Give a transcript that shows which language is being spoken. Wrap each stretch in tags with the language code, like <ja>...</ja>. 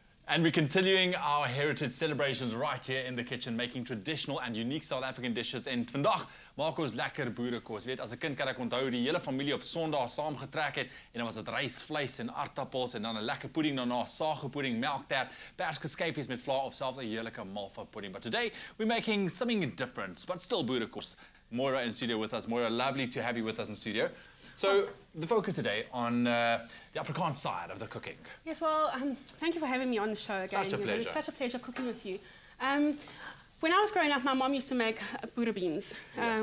<en>And we're continuing our heritage celebrations right here in the kitchen, making traditional and unique South African dishes.</en> <af>En vandag maak ons lekker boerekos. Weet, as 'n kind kan ek onthou die hele familie op Sondag saam getrek het en dan was dit rys, vleis en aardappels en dan 'n lekker pudding daarna, saagpudding, melktert, perskeskyfies met vla of selfs 'n heerlike malva pudding.</af> <en>But today we're making something different, but still boerekos. Moira in studio with us. Moira, lovely to have you with us in studio. So, the focus today on the Afrikaans side of the cooking. Yes, well, thank you for having me on the show again. Such a pleasure. It's such a pleasure cooking with you. When I was growing up, my mom used to make boere beans. Yeah.</en>